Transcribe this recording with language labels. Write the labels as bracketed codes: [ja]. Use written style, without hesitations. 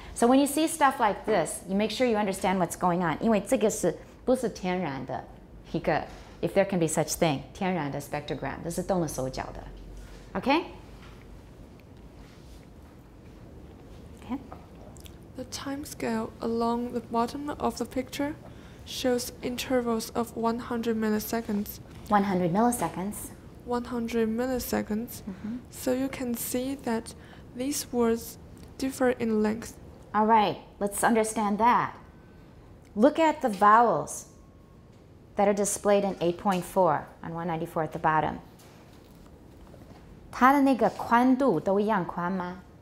[en] So when you see stuff like this, you make sure you understand what's going on. [zh] 因为这个是不是天然的。 [en] If there can be such thing, [zh] 天然的 [en] spectrogram, [zh] 这是动了手脚的, [en] okay? Okay? The time scale along the bottom of the picture shows intervals of 100 milliseconds. 100 milliseconds. 100 milliseconds. Mm-hmm. So you can see that these words differ in length. All right, let's understand that. Look at the vowels that are displayed in 8.4 on 194 at the bottom. [zh] 它的那个宽度都一样宽吗?